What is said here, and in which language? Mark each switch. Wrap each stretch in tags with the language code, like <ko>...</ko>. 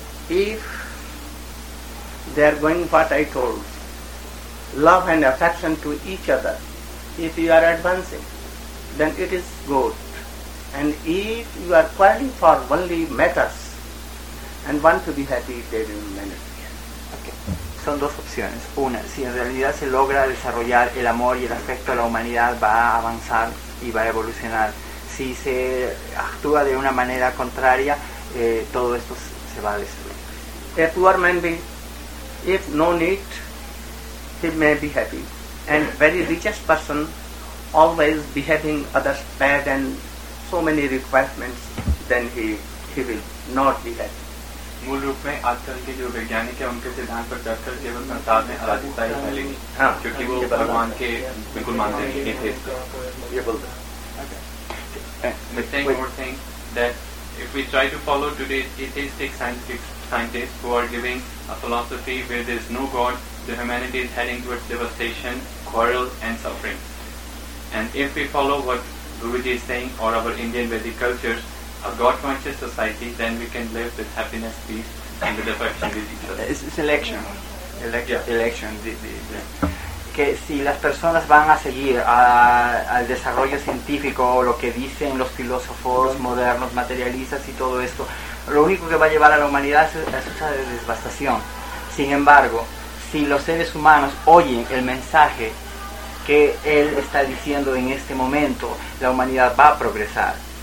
<en>If they are going what I told, love and affection to each other, if you are advancing, then it is good. And if you are calling for only matters and want to be happy, then you manage.</en> <es>Okay. Son dos opciones. Una, si en realidad se logra desarrollar el amor y el afecto a la humanidad, va a avanzar y va a evolucionar. Si se actúa de una manera contraria, todo esto se va a destruir.</es> <en>A poor man be, if no need, he may be happy, and very richest person always behaving others bad and so many requirements, then he will not be happy.</en> <hi>मूल रूप में आजकल के जो वैज्ञानिक हैं उनके सिद्धांत पर चलकर केवल संसार में अराजकता ही फैलेगी, हाँ, क्योंकि वो भगवान के बिल्कुल मानते नहीं थे. ये बोलते हैं.</hi> <en>Okay. The thing, more thing, that if we try to follow today's atheistic scientists who are giving a philosophy where there is no God, the humanity is heading towards devastation, quarrel and suffering. And if we follow what Guruji is saying or our Indian Vedic cultures, a God-conscious society, then we can live with happiness, peace and with affection with each other. It's election. Election.</en> <es>Que si las personas van a seguir al desarrollo científico o lo que dicen los filósofos modernos, materialistas y todo esto, lo único que va a llevar a la humanidad es esa devastación. Sin embargo, si los seres humanos oyen el mensaje que él está diciendo en este momento, la humanidad va a progresar.</es>